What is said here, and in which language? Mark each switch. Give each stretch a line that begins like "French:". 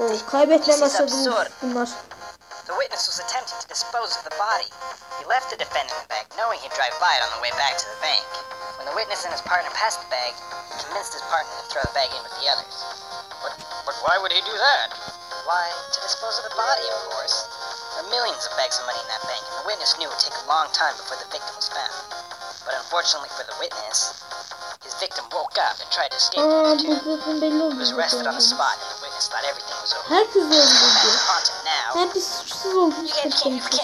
Turkish: Kaybetmeye başladı bunlar.
English: The witness was attempting to dispose of the body. He left the defendant in the bag, knowing he'd drive by it on the way back to the bank. When the witness and his partner passed the bag, he convinced his partner to throw the bag in with the others. But why would he do that? Why, to dispose of the body, of course. There are millions of bags of money in that bank, and the witness knew it would take a long time before the victim was found. But unfortunately for the witness, his victim woke up and tried to escape from the tomb. He was arrested on the spot, and the witness thought everything was over.
Turkish: Herkes öldürdü. Ben bir suçsuz olduğunu düşünüyorum.